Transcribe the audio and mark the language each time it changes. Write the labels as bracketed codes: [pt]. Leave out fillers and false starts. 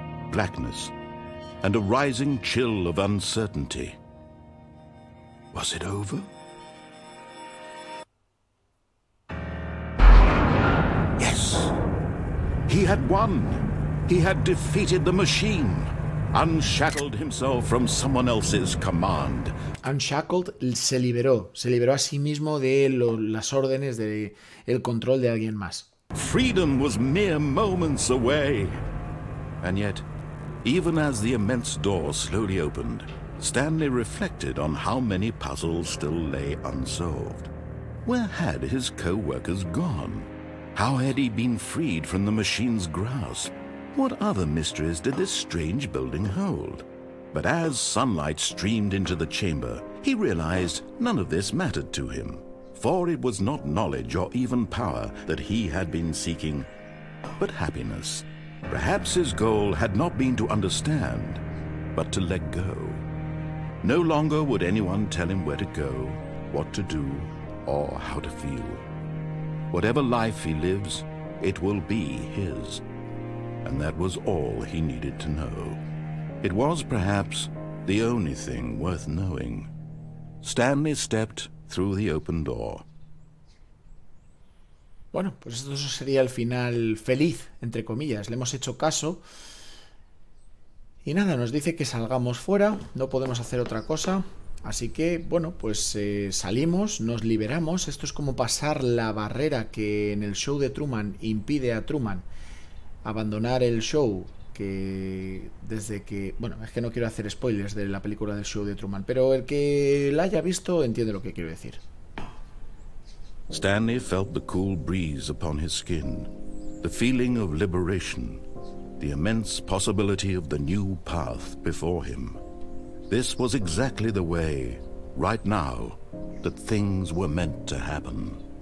[en] Blackness and a rising chill of uncertainty. Was it over? Yes. He had won. He had defeated the machine. Unshackled himself from someone else's command. [es] Unshackled se liberó a sí mismo de las órdenes del control de alguien más. [en] Freedom was mere moments away. And yet, even as the immense door slowly opened, Stanley reflected on how many puzzles still lay unsolved. Where had his co-workers gone? How had he been freed from the machine's grasp? What other mysteries did this strange building hold? But as sunlight streamed into the chamber, he realized none of this mattered to him, for it was not knowledge or even power that he had been seeking, but happiness. Perhaps his goal had not been to understand, but to let go. No longer would anyone tell him where to go, what to do, or how to feel. Whatever life he lives, it will be his. And that was all he needed to know. It was, perhaps, the only thing worth knowing. Stanley stepped through the open door. [es] Bueno, pues eso sería el final feliz, entre comillas. Le hemos hecho caso Y nada, nos dice que salgamos fuera, no podemos hacer otra cosa. Así que, bueno, pues salimos, nos liberamos. Esto es como pasar la barrera que en el show de Truman impide a Truman abandonar el show. Que desde que, bueno, es que no quiero hacer spoilers de la película del show de Truman, pero el que la haya visto entiende lo que quiero decir. [en] Stanley felt the cool breeze upon his skin, the feeling of liberation, the immense possibility of the new path before him. This was exactly the way, right now, that things were meant to happen.